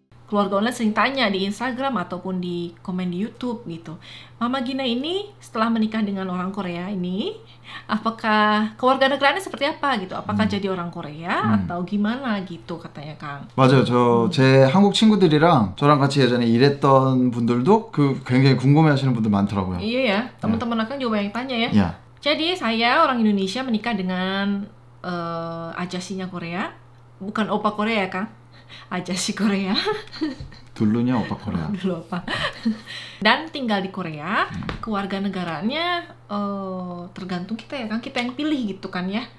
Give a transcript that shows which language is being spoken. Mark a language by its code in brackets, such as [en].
[id] Keluarga online sering tanya di Instagram ataupun di komen di YouTube gitu. Mama Gina ini setelah menikah dengan orang Korea ini, apakah kewarganegaraannya seperti apa gitu? Apakah jadi orang Korea atau gimana gitu katanya Kang? [ko] 맞아요. 저 제 한국 친구들이랑 저랑 같이 예전에 일했던 분들도 그 굉장히 궁금해하시는 분들 많더라고요. 이해야. Yeah, yeah. [id] teman-teman yeah. akan juga banyak tanya ya. Yeah. Jadi saya orang Indonesia menikah dengan ajasinya Korea, bukan opa Korea ya Kang? Ajasi Korea. Dulunya opa Korea. Dulu opa. Dan tinggal di Korea, kewarganegaraannya tergantung kita ya kan, kita yang pilih gitu kan ya.